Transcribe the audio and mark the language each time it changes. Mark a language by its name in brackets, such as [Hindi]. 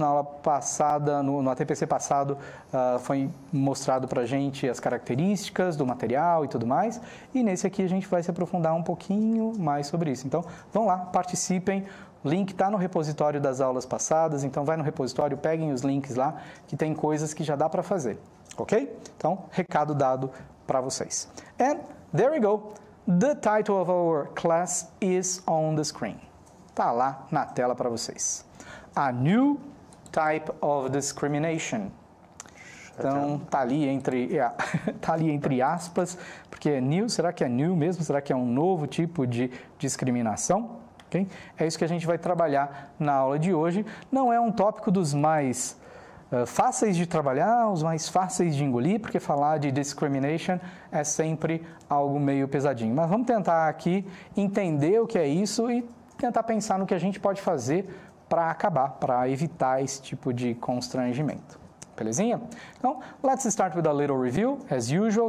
[Portuguese] Na aula passada, no ATPC passado, foi mostrado para a gente as características do material e tudo mais. E nesse aqui a gente vai se aprofundar um pouquinho mais sobre isso. Então, vão lá, participem. O link está no repositório das aulas passadas. Então, vai no repositório, peguem os links lá, que tem coisas que já dá para fazer. Ok? Então, recado dado para vocês. [English] And there we go. The title of our class is on the screen. [Portuguese] Tá lá na tela para vocês. [English] A new type of discrimination. [Portuguese] Então, tá ali entre aspas, porque é new, será que é new mesmo? Será que é um novo tipo de discriminação? Okay? É isso que a gente vai trabalhar na aula de hoje. Não é um tópico dos mais fáceis de trabalhar, os mais fáceis de engolir, porque falar de discrimination é sempre algo meio pesadinho. Mas vamos tentar aqui entender o que é isso e tentar pensar no que a gente pode fazer para acabar, para evitar esse tipo de constrangimento. Belezinha? [English] Então, let's start with a little review, as usual.